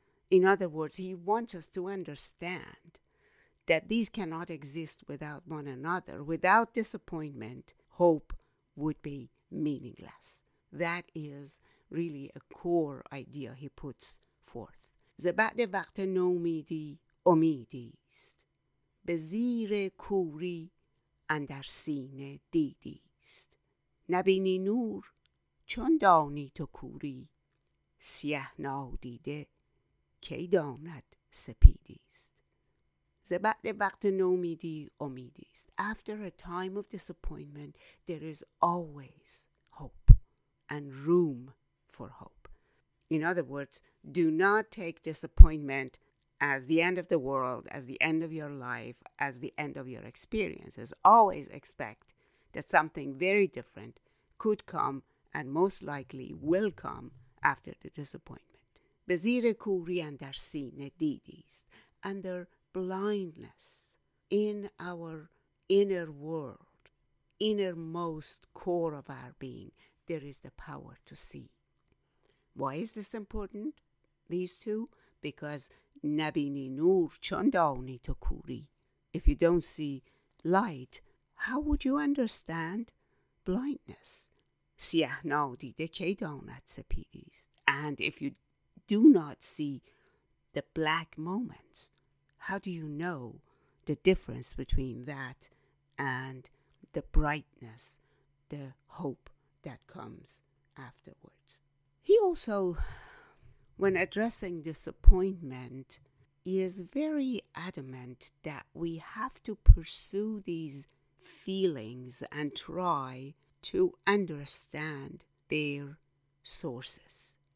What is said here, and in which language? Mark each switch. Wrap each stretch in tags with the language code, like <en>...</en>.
<en>In other words, he wants us to understand that these cannot exist without one another. Without disappointment, hope would be meaningless. That is really a core idea he puts forth.</en> <fa>زبعد وقت نومیدی امیدی است. به زیر کوری اندر سینه دیدی است. نبینی نور چون دانی تو کوری، سیه نادیده کی داند سپیدیست. ز بعد وقت نومیدی امیدیست.</fa> <en>After a time of disappointment, there is always hope and room for hope. In other words, do not take disappointment as the end of the world, as the end of your life, as the end of your experiences. Always expect that something very different could come and most likely will come after the disappointment.</en> <fa>به زیر کوری اندر سینه دیدیست.</fa> <en>Under blindness, in our inner world, innermost core of our being, there is the power to see. Why is this important? These two? Because</en> <fa>نبینی نور چون دانی تو کوری.</fa> <en>If you don't see light, how would you understand blindness?</en> <fa>سیه نادیده کی داند سپیدیست.</fa> <en>And if you do not see the black moments, how do you know the difference between that and the brightness, the hope that comes afterwards? He also, when addressing disappointment, is very adamant that we have to pursue these feelings and try to understand their sources.</en>